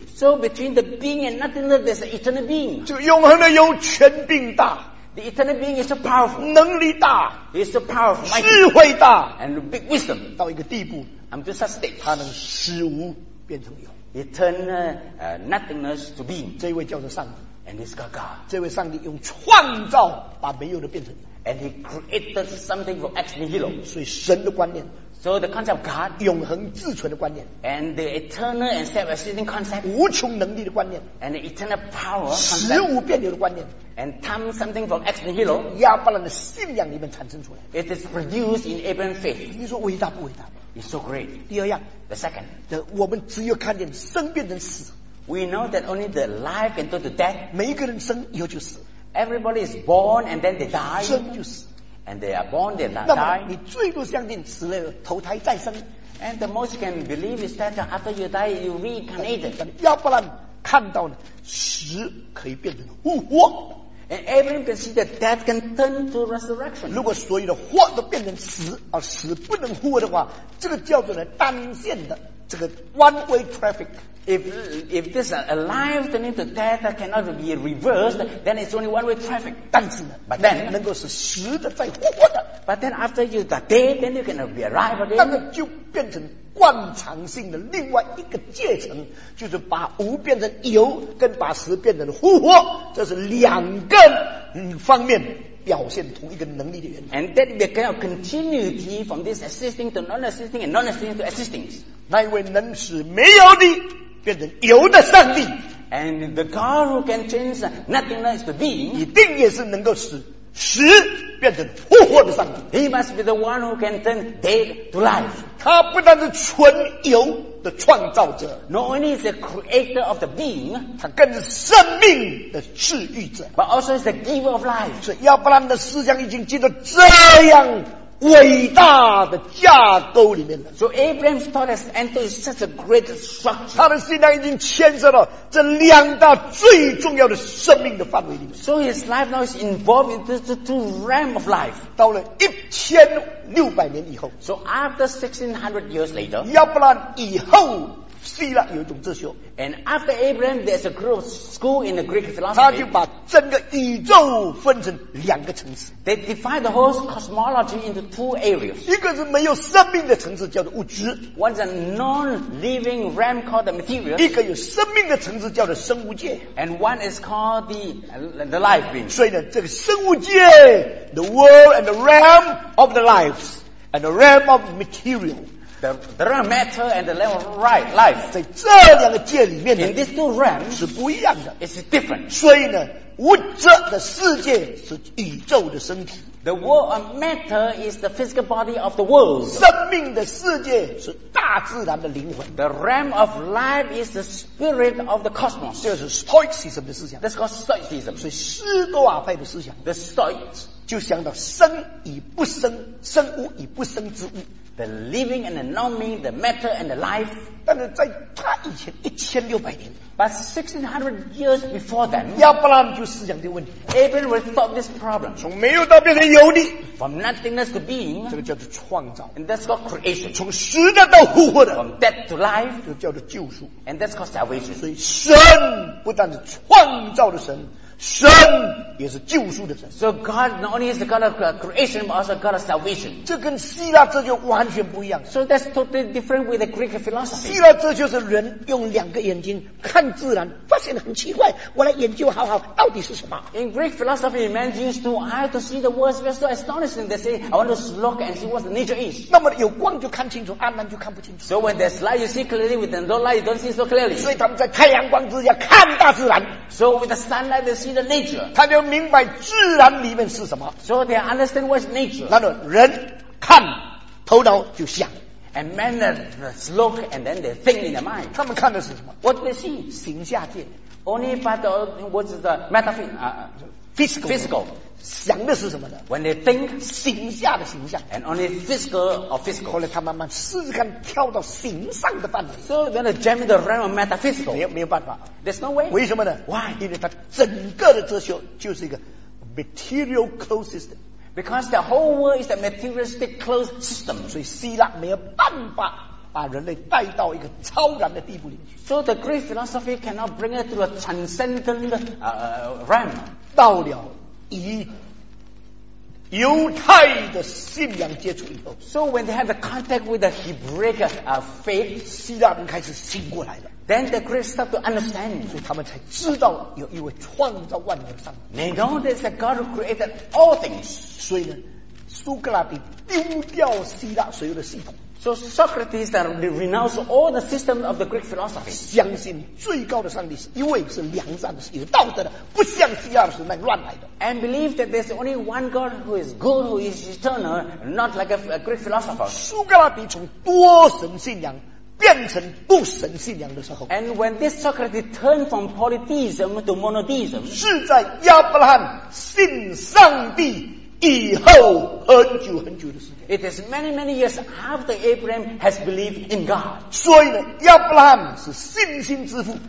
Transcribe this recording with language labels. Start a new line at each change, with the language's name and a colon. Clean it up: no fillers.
English: So between the being and nothing, there's an eternal being。
Chinese: 这个永恒的有权柄大。
English: The eternal being is so powerful，
Chinese: 能力大，
English: is so powerful，
Chinese: 智慧大，
English: and big wisdom，
Chinese: 到一个地步，
English: I'm to such state，
Chinese: 它能使无变成有，
English: it turn nothingness to being。
Chinese: 这位叫做上帝，
English: and it's God。
Chinese: 这位上帝用创造把没有的变成有，
English: and he created something from ex nihilo。
Chinese: 所以神的观念，
English: so the concept of God，
Chinese: 永恒自存的观念，
English: and the eternal and self-existing concept，
Chinese: 无穷能力的观念，
English: and the eternal power，
Chinese: 使无变有的观念。
English: And time something from ex nihilo，
Chinese: 亚伯兰的信仰里面产生出来。
English: It is produced in Abraham faith。
Chinese: 你说伟大不伟大
English: ？It's so great。
Chinese: 第二样
English: ，the second，
Chinese: 我们只有看见生变成死。
English: We know that only the life can turn to death。
Chinese: 每一个人生以后就死。
English: Everybody is born and then they die。
Chinese: 生就死。
English: And they are born, they die。
Chinese: 那么你最多相信死了投胎再生。
English: And the most you can believe is that after you die you reincarnate。
Chinese: 亚伯兰看到死可以变成复活。
English: And everyone can see that death can turn to resurrection。
Chinese: 如果所有的活都变成死，而死不能活的话，这个叫做呢单线的这个
English: one way traffic。 If this alive turning to death cannot be reversed, then it's only one way traffic。
Chinese: 但是呢
English: ，but then
Chinese: 能够是死的再活的。
English: But then after you are dead, then you can be alive again。
Chinese: 那个就变成惯常性的另外一个阶层，就是把无变成有，跟把死变成复活，这是两个方面表现同一个能力的原因。
English: And that we can have continuity from this existing to non-existing and non-existing to existing。
Chinese: 那位能使没有的变成有的上帝
English: ，And the God who can change nothingness to being，
Chinese: 一定也是能够使死变成复活的上帝。
English: He must be the one who can turn dead to life。
Chinese: 他不但是纯有的创造者
English: ，Not only is the creator of the being，
Chinese: 他更是生命的治愈者
English: ，But also is the giver of life。
Chinese: 所以亚伯兰的思想已经进入这样伟大的架构里面了。
English: So Abraham's thought has entered such a great structure.
Chinese: 他的信仰已经牵涉到这两大最重要的生命的范围里面。
English: So his life now is involved in these two realms of life.
Chinese: 到了1600年以后。
English: So after 1600 years later,
Chinese: 亚伯兰以后希腊有一种哲学。
English: And after Abraham, there's a group of school in the Greek philosophy.
Chinese: 他就把整个宇宙分成两个层次。
English: They divide the whole cosmology into two areas.
Chinese: 一个是没有生命的层次，叫做物质。
English: One's a non-living realm called the material.
Chinese: 一个有生命的层次，叫做生物界。
English: And one is called the life being.
Chinese: 所以呢，这个生物界
English: ，the world and the realm of the lives and the realm of material. The realm of matter and the realm of right, life.
Chinese: 在这两个界里面呢
English: In these two realms,
Chinese: 是不一样的
English: It's different.
Chinese: 所以呢物质的世界是宇宙的身体
English: The world of matter is the physical body of the world.
Chinese: 生命的世界是大自然的灵魂
English: The realm of life is the spirit of the cosmos.
Chinese: 这是 Stoicism 的思想
English: That's called Stoicism.
Chinese: 所以斯多瓦派的思想
English: The Stoics
Chinese: 就想到生与不生生物与不生之物
English: The living and the non-being, the matter and the life.
Chinese: 但是在他以前1600年
English: But 1600 years before then,
Chinese: 亚伯拉罕就思想这个问题。
English: Abraham would solve this problem.
Chinese: 从没有到变成有的。
English: From nothingness to being.
Chinese: 这个叫做创造。
English: And that's called creation.
Chinese: 从死的到复活的。
English: From death to life.
Chinese: 这个叫做救赎。
English: And that's called salvation.
Chinese: 所以神不但是创造的神。神也是救赎的神。
English: So God not only is the God of creation, but also God of salvation.
Chinese: 这跟希腊哲学完全不一样。
English: So that's totally different with the Greek philosophy.
Chinese: 希腊哲学是人用两个眼睛看自然，发现很奇怪，我来研究好好到底是什么。
English: In Greek philosophy, man used two eyes to see the world. We're so astonishing. They say, I want to look and see what the nature is.
Chinese: 那么有光就看清楚，暗暗就看不清楚。
English: So when there's light, you see clearly. With no light, you don't see so clearly.
Chinese: 所以他们在太阳光之下看大自然。
English: So with the sunlight, they see. The nature.
Chinese: 他就明白自然里面是什么。
English: So they understand what's nature.
Chinese: 那么人看，头脑就想。
English: And men look and then they think in their mind.
Chinese: 他们看的是什么
English: ？What do they see?
Chinese: 形下界。
English: Only but what's the metaphysical? Physical.
Chinese: 想的是什么呢
English: ？When they think,
Chinese: 形下的形象。
English: And only physical or physical.
Chinese: 后来他慢慢试试看跳到形上的范围。
English: So then they jam the realm of metaphysical.
Chinese: 没有办法。
English: There's no way.
Chinese: 为什么呢
English: ？Why?
Chinese: 因为他整个的哲学就是一个
English: material closed system. Because the whole world is a materialistic closed system.
Chinese: 所以希腊没有办法。把人类带到一个超然的地步里去。
English: So the Greek philosophy cannot bring it to a transcendent realm.
Chinese: 到了以犹太的信仰接触以后
English: ，So when they have the contact with the Hebraic faith，
Chinese: 希腊人开始醒过来了。
English: Then the Greeks start to understand，
Chinese: 所以他们才知道有一位创造万有的上帝。
English: They know there's a God who created all things。
Chinese: 所以呢，苏格拉底丢掉希腊所有的系统。
English: So Socrates renounced all the systems of the Greek philosophy.
Chinese: 相信最高的上帝是一位是良善的，是有道德的，不像希腊时代乱来的。
English: And believe that there's only one God who is good, who is eternal, not like a Greek philosopher.
Chinese: 苏格拉底从多神信仰变成不神信仰的时候
English: ，And when this Socrates turned from polytheism to monotheism,
Chinese: 是在亚伯拉罕信上帝。以后很久很久的时间
English: It is many many years after Abraham has believed in God
Chinese: 所以呢亚伯拉罕是信心之父